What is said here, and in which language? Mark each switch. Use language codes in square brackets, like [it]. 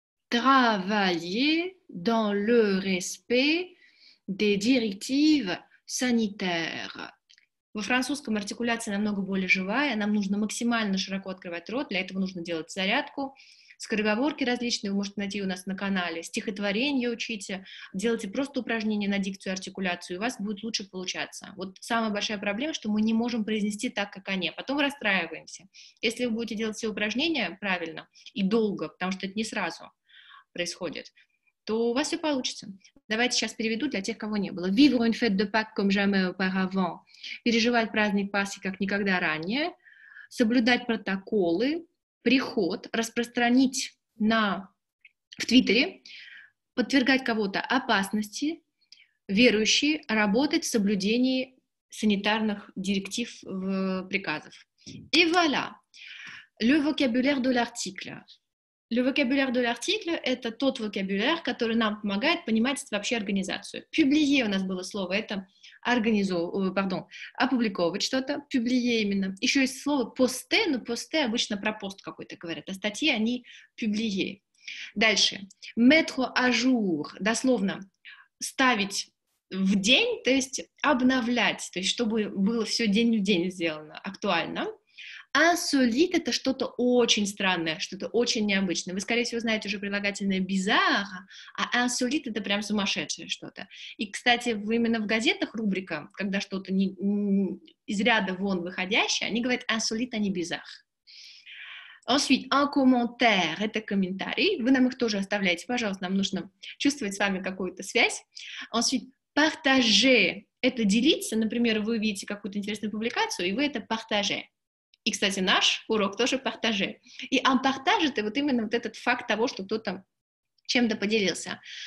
[fr] Travailler dans le respect des directives sanitaires. [ru] Во французском артикуляция намного более живая. Нам нужно максимально широко открывать рот. Для этого нужно делать зарядку. Скороговорки различные вы можете найти у нас на канале. Стихотворение учите. Делайте просто упражнения на дикцию и артикуляцию. И у вас будет лучше получаться. Вот самая большая проблема, что мы не можем произнести так, как они. Потом расстраиваемся. Если вы будете делать все упражнения правильно и долго, потому что это не сразу происходит, то у вас все получится. Давайте сейчас переведу для тех, кого не было. [fr] Vivre une fête de Pâques comme jamais auparavant. [ru] Переживать праздник Пасхи, как никогда ранее. Соблюдать протоколы. Приход. Распространить в Твиттере. Подвергать кого-то опасности. Верующие. Работать в соблюдении санитарных директив, приказов. И voilà. [fr] Le vocabulaire de l'article. Le vocabulaire de l'article [ru] – это тот vocabulaire, который нам помогает понимать вообще организацию. Publier у нас было слово, это опубликовывать что-то. Publier именно. Еще есть слово poster, но poster обычно про пост какой-то говорят. А статьи они publier. Дальше. [fr] Mettre à jour [ru] – дословно ставить в день, то есть обновлять, то есть чтобы было все день в день сделано актуально. Insolite – это что-то очень странное, что-то очень необычное. Вы, скорее всего, знаете уже прилагательное bizarre, а insolite – это прям сумасшедшее что-то. И, кстати, именно в газетах рубрика, когда что-то из ряда вон выходящее, они говорят insolite, а не bizarre. [fr] Ensuite, un commentaire – [ru] это комментарий. Вы нам их тоже оставляйте, пожалуйста, нам нужно чувствовать с вами какую-то связь. [fr] Ensuite, partager [ru] – это делиться. Например, вы видите какую-то интересную публикацию, и вы это partager. И, кстати, наш урок тоже «Партаже». И «Ампартаж» — это вот именно вот этот факт того, что кто-то чем-то поделился.